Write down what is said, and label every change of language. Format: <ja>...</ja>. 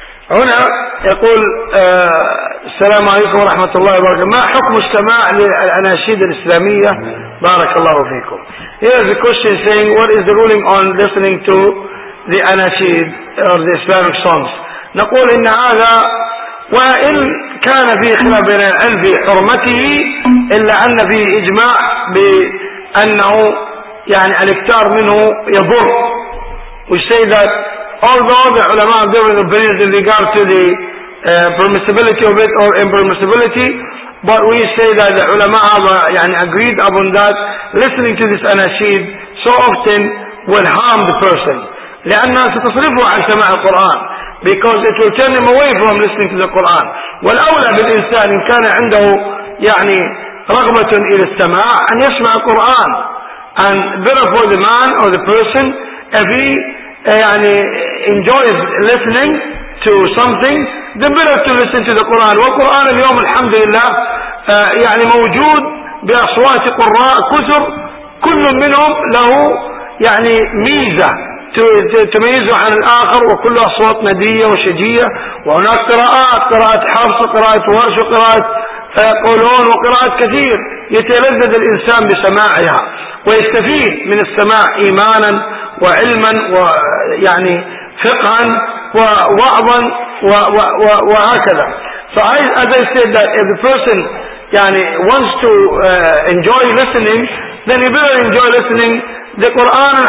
<ar>هنا يقول السلام عليكم ورحمة الله وبركاته. ما حكم استماع للأناشيد الإسلامية بارك الله فيكم.</ar> <en>Here is a question saying what is the ruling on listening to the anashid or the Islamic songs.</en> <ar>نقول إن هذا وإن كان في خلاف بين العلم في حرمته إلا أن في إجماع بأنه يعني الإكثار منه يضر.</ar> <en>We say that although the ulama have different opinions in regard to the permissibility of it or impermissibility, but we say that the ulama have يعني agreed upon that listening to this anashid so often will harm the person.</en> <ar>لأنها ستصرفه عن سماع القرآن.</ar> <en>Because it will turn him away from listening to the Quran.</en> <ar>والأولى بالإنسان إن كان عنده يعني رغبة إلى السماع أن يسمع القرآن.</ar> <en>And better for the man or the person if he يعني enjoys listening to something then better to listen to the Quran.</en> <ar>والقرآن اليوم الحمد لله يعني موجود بأصوات قراء كثر كل منهم له يعني ميزة تميزه عن الآخر، وكل أصوات ندية وشجية، وهناك قراءات، قراءة حفص، قراءة ورش، قراءة فيقولون، وقراءات كثير يتلذذ الإنسان بسماعها ويستفيد من السماع إيمانا وعلما ويعني فقها ووعظا وهكذا.</ar> <en>So I, as I said, that if a person يعني wants to enjoy listening, then you better enjoy listening the Quran.</en>